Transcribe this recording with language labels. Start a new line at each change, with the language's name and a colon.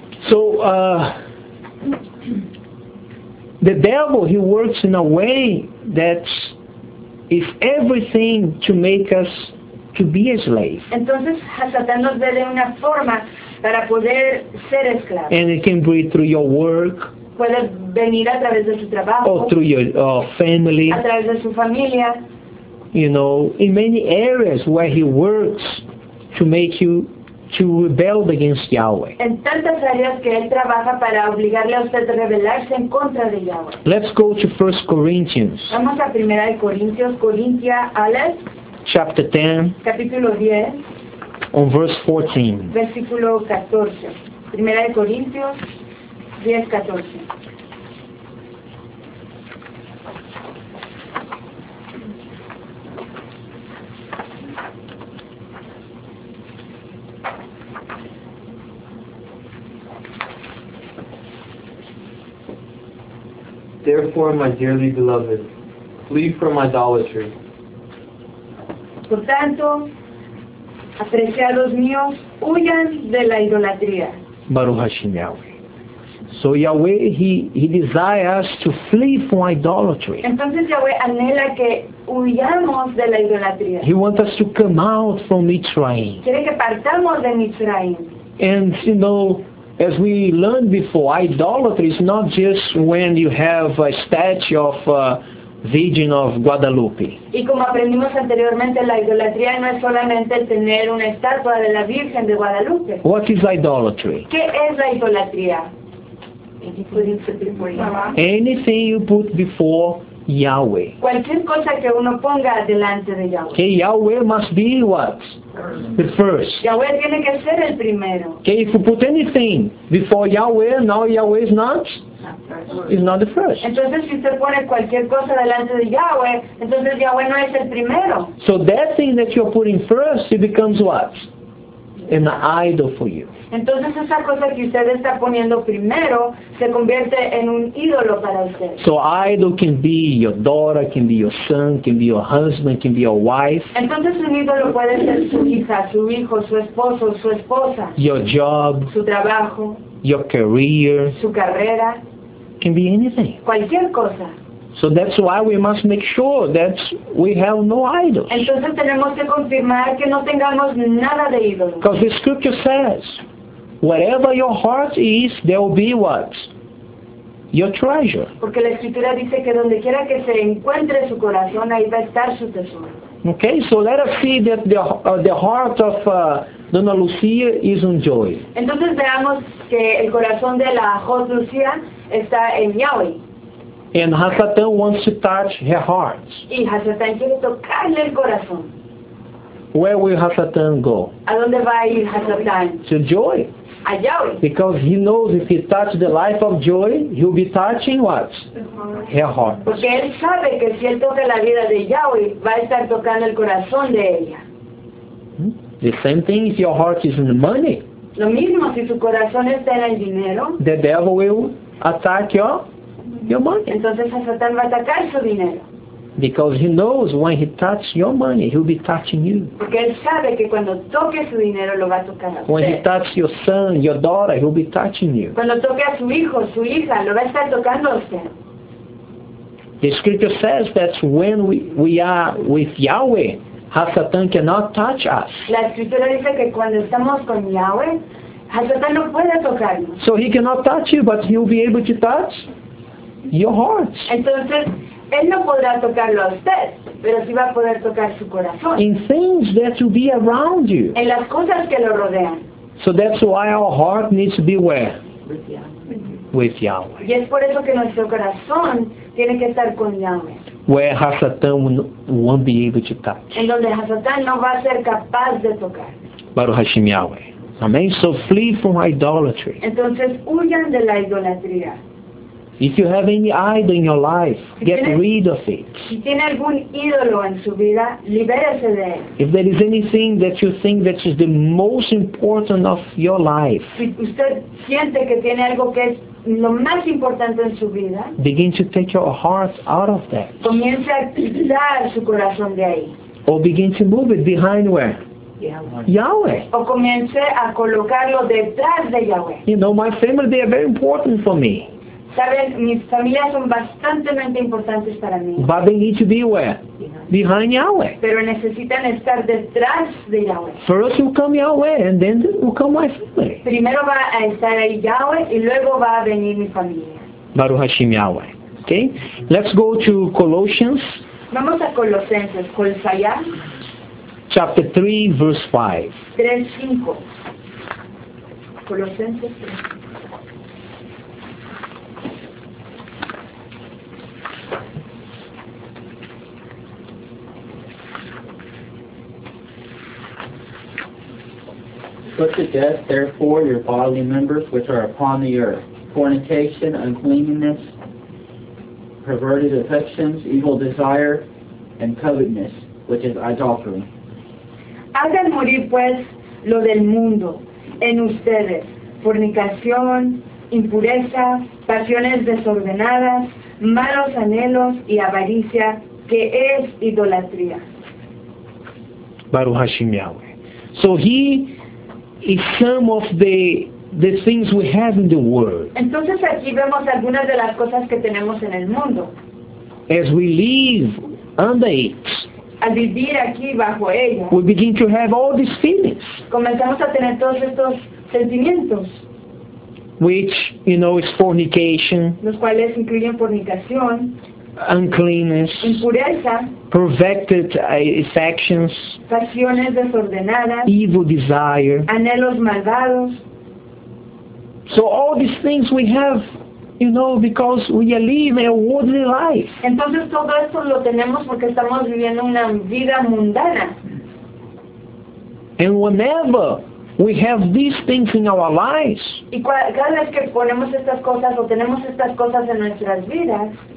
English: So, the devil, he works in a way that is everything to make us to be a slave.
Spanish: Entonces, Satan nos ve de una forma para poder ser esclavos.
English: And it can be through your work.
Spanish: Puede venir a través de su trabajo.
English: Or through your family.
Spanish: A través de su familia.
English: You know, in many areas where he works to make you to rebel against Yahweh.
Spanish: En tantas áreas que él trabaja para obligarle a usted a rebelarse en contra de Yahweh.
English: Let's go to 1 Corinthians.
Spanish: Vamos a Primera de Corintios, Corintia, Alex.
English: Chapter 10.
Spanish: Capítulo 10.
English: On verse 14.
Spanish: Versículo 14. Primera de Corintios, 10, 14.
English: Therefore, my dearly beloved, flee from idolatry.
Spanish: Por tanto, apreciados míos, huyan de la idolatría.
Hebrew: Baruch Hashem Yahweh.
English: So Yahweh, he desires to flee from idolatry.
Spanish: Entonces Yahweh anhela que huyamos de la idolatría.
English: He wants us to come out from Mitzrayim.
Spanish: Quiere que partamos de Mitzrayim.
English: And you know, as we learned before, idolatry is not just when you have a statue of Virgin of Guadalupe.
Spanish: Y como aprendimos anteriormente, la idolatría no es solamente tener una estatua de la Virgen de Guadalupe.
English: What is idolatry?
Spanish: ¿Qué es la idolatría?
English: Anything you put before Yahweh.
Spanish: Cualquier cosa que uno ponga delante de Yahweh.
English: Okay, Yahweh must be what? The first.
Spanish: Yahweh tiene que ser el primero.
English: Okay, if you put anything before Yahweh, now Yahweh is not? Is not the first.
Spanish: Entonces, si usted pone cualquier cosa delante de Yahweh, entonces Yahweh no es el primero.
English: So that thing that you're putting first, it becomes what? An idol for you.
Spanish: Entonces esa cosa que usted está poniendo primero se convierte en un ídolo para usted.
English: So idol can be your daughter, can be your son, can be your husband, can be your wife.
Spanish: Entonces un ídolo puede ser su hija, su hijo, su esposo, su esposa.
English: Your job.
Spanish: Su trabajo.
English: Your career.
Spanish: Su carrera.
English: Can be anything.
Spanish: Cualquier cosa.
English: So that's why we must make sure that we have no idols.
Spanish: Entonces tenemos que confirmar que no tengamos nada de ídolos.
English: Because the scripture says, wherever your heart is, there will be what? Your treasure.
Spanish: Porque la escritura dice que donde quiera que se encuentre su corazón, ahí va a estar su tesoro.
English: Okay, so let us see that the heart of Dona Lucia is in joy.
Spanish: Entonces veamos que el corazón de la Jod Lucia está en Yahweh.
English: And Hasatan wants to touch her heart.
Spanish: Y Hasatan quiere tocarle el corazón.
English: Where will Hasatan go?
Spanish: ¿A dónde va a ir Hasatan?
English: To joy.
Spanish: A Yahweh.
English: Because he knows if he touches the life of joy, he'll be touching what? Her heart.
Spanish: Porque él sabe que si él toca la vida de Yahweh, va a estar tocando el corazón de ella.
English: The same thing if your heart is in the money.
Spanish: Lo mismo si su corazón está en el dinero.
English: The devil will attack your money.
Spanish: Entonces a Satán va a atacar su dinero.
English: Because he knows when he touches your money, he'll be touching you.
Spanish: Porque él sabe que cuando toque su dinero, lo va a tocar a usted.
English: When he touches your son, your daughter, he'll be touching you.
Spanish: Cuando toque a su hijo, su hija, lo va a estar tocando a usted.
English: The scripture says that when we are with Yahweh, HaSatan cannot touch us.
Spanish: La escritura dice que cuando estamos con Yahweh, HaSatan no puede tocarnos.
English: So he cannot touch you, but he'll be able to touch your heart.
Spanish: Entonces, él no podrá tocarlo a usted, pero sí va a poder tocar su corazón.
English: In things that will be around you.
Spanish: En las cosas que lo rodean.
English: So that's why our heart needs to be where? With Yahweh. With Yahweh.
Spanish: Y es por eso que nuestro corazón tiene que estar con Yahweh.
English: Where HaSatan won't be able to touch.
Spanish: En donde HaSatan no va a ser capaz de tocar.
Hebrew: Baruch Hashem Yahweh.
English: Amen. So flee from idolatry.
Spanish: Entonces huyan de la idolatría.
English: If you have any idol in your life, get rid of it.
Spanish: Si tiene algún ídolo en su vida, libérese de él.
English: If there is anything that you think that is the most important of your life,
Spanish: si usted siente que tiene algo que es lo más importante en su vida,
English: begin to take your heart out of that.
Spanish: Comience a quitar su corazón de ahí.
English: Or begin to move it behind where?
Spanish: Yahweh. O comience a colocarlo detrás de Yahweh.
English: You know, my family, they are very important for me.
Spanish: Saben, mis familias son bastante importantes para mí.
English: But they need to be where? Behind Yahweh.
Spanish: Pero necesitan estar detrás de Yahweh.
English: First will come Yahweh, and then will come my family.
Spanish: Primero va a estar ahí Yahweh, y luego va a venir mi familia.
Hebrew: Baruch Hashem Yahweh.
English: Okay? Let's go to Colossians.
Spanish: Vamos a Colosenses, Colsaya.
English: Chapter 3, verse 5.
Spanish: 3:5. Colosenses 3.
English: Put to death, therefore, your bodily members which are upon the earth, fornication, uncleanness, perverted affections, evil desire, and covetousness, which is idolatry.
Spanish: Hagan morir, pues, lo del mundo en ustedes, fornicación, impureza, pasiones desordenadas, malos anhelos y avaricia, que es idolatría.
Hebrew: Baruch Hashem Yahweh.
English: So he is some of the things we have in the world.
Spanish: Entonces aquí vemos algunas de las cosas que tenemos en el mundo.
English: As we live under it,
Spanish: al vivir aquí bajo ella,
English: we begin to have all these feelings.
Spanish: Comenzamos a tener todos estos sentimientos.
English: Which, you know, is fornication.
Spanish: Los cuales incluyen fornicación.
English: Uncleanness.
Spanish: Impureza.
English: Perverted affections.
Spanish: Pasiones desordenadas.
English: Evil desire.
Spanish: Anhelos malvados.
English: So all these things we have, you know, because we are living a worldly life.
Spanish: Entonces todo esto lo tenemos porque estamos viviendo una vida mundana.
English: And whenever we have these things in our lives,
Spanish: y cada vez que ponemos estas cosas o tenemos estas cosas en nuestras vidas,